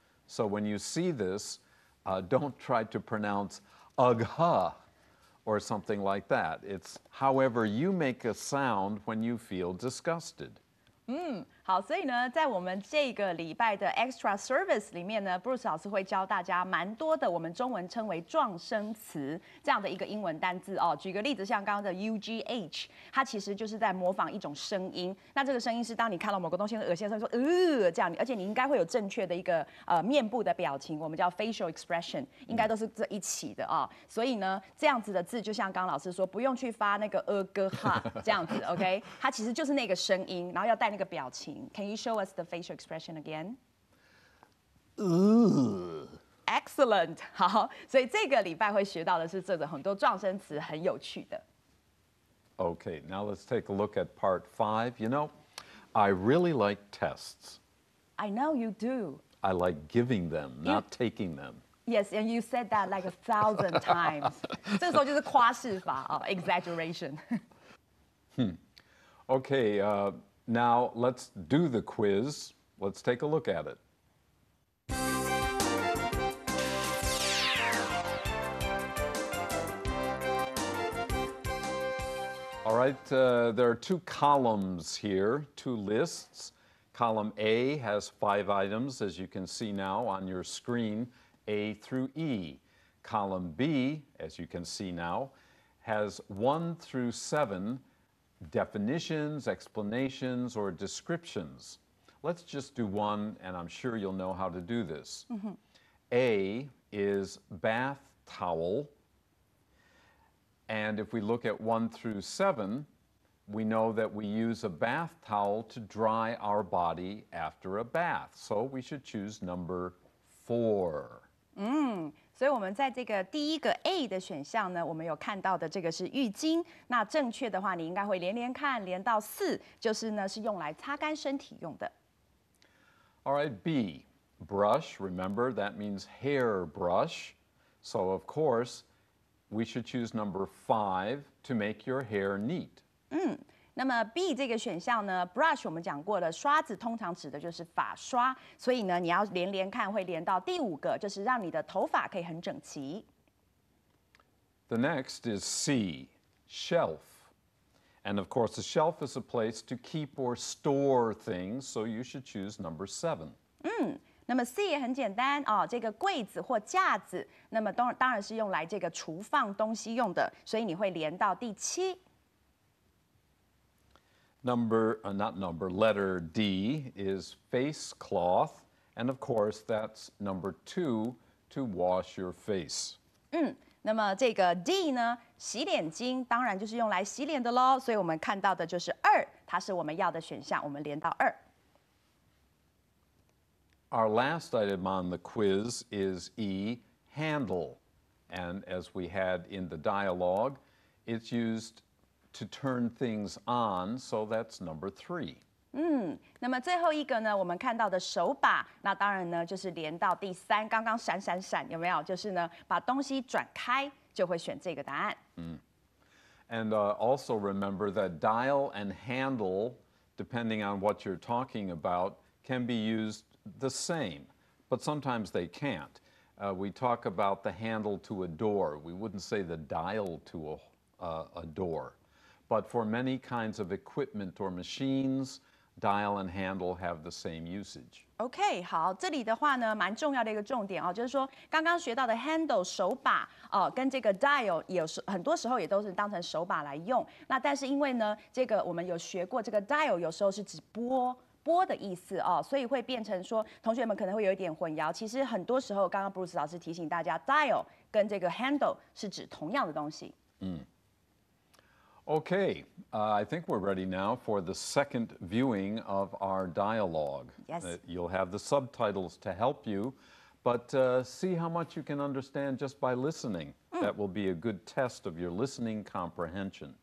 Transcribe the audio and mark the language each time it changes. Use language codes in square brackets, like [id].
[en] So when you see this, don't try to pronounce ugha or something like that. It's however you make a sound when you feel disgusted. 嗯， [zh] 好，所以呢，在我们这个礼拜的 [en] extra service [zh] 里面呢 ，Bruce 老师会教大家蛮多的我们中文称为撞声词这样的一个英文单字哦。举个例子，像刚刚的 UGH， 它其实就是在模仿一种声音。那这个声音是当你看到某个东西恶心的时候说这样，而且你应该会有正确的一个面部的表情，我们叫 facial expression， 应该都是这一起的哦。所以呢，这样子的字就像刚刚老师说，不用去发那个歌哈这样子 ，OK？它其实就是那个声音，然后要带那个表情。 [en] Can you show us the facial expression again? Excellent. [zh] 好，所以这个礼拜会学到的是这个很多撞声词，很有趣的。 [en] Okay, now let's take a look at part five. You know, I really like tests. I know you do. I like giving them, not taking them. Yes, and you said that like 1,000 times. [zh] 这个时候就是夸饰法啊 ，exaggeration. [en] Okay. Now, let's do the quiz. Let's take a look at it. All right, there are two columns here, two lists. Column A has five items, as you can see now on your screen, A through E. Column B, as you can see now, has one through seven,definitions, explanations, or descriptions. Let's just do one, and I'm sure you'll know how to do this. Mm-hmm. A is bath towel. And if we look at one through seven, we know that we use a bath towel to dry our body after a bath. So we should choose number four. Mm. [zh] 所以我们在这个第一个 A 的选项呢，我们有看到的这个是浴巾。那正确的话，你应该会连连看，连到四，就是呢是用来擦干身体用的。 [en] All right, B, brush. Remember that means hair brush. So of course, we should choose number five to make your hair neat. 嗯。 [zh] 那么 B 这个选项呢 ，brush 我们讲过了，刷子通常指的就是发刷，所以呢，你要连连看会连到第五个，就是让你的头发可以很整齐。 [en] The next is C, shelf, and of course a shelf is a place to keep or store things, so you should choose number seven. [zh] 嗯，那么 C 也很简单哦，这个柜子或架子，那么当然是用来这个储放东西用的，所以你会连到第七。 [en] Letter D is face cloth, and of course that's number two to wash your face. [zh] 嗯，那么这个 D 呢，洗脸巾当然就是用来洗脸的喽。所以我们看到的就是二，它是我们要的选项，我们连到二。 [en] Our last item on the quiz is E, handle, and as we had in the dialogue, it's used. To turn things on, so that's number three. [zh] 嗯，那么最后一个呢，我们看到的手把，那当然呢就是连到第三，刚刚闪闪闪，有没有？就是呢，把东西转开，就会选这个答案。 [en] 嗯 ，and also remember that dial and handle, depending on what you're talking about, can be used the same, but sometimes they can't. We talk about the handle to a door. We wouldn't say the dial to a door. But for many kinds of equipment or machines, dial and handle have the same usage. [zh] Okay, 好，这里的话呢，蛮重要的一个重点哦，就是说刚刚学到的 handle 手把哦，跟这个 dial 有很多时候也都是当成手把来用。那但是因为呢，这个我们有学过，这个 dial 有时候是指拨的意思哦，所以会变成说，同学们可能会有一点混淆。其实很多时候，刚刚 Bruce 老师提醒大家 ，dial 跟这个 handle 是指同样的东西。嗯。 [en] Okay, I think we're ready now for the second viewing of our dialogue. Yes. You'll have the subtitles to help you, but see how much you can understand just by listening. Mm. That will be a good test of your listening comprehension.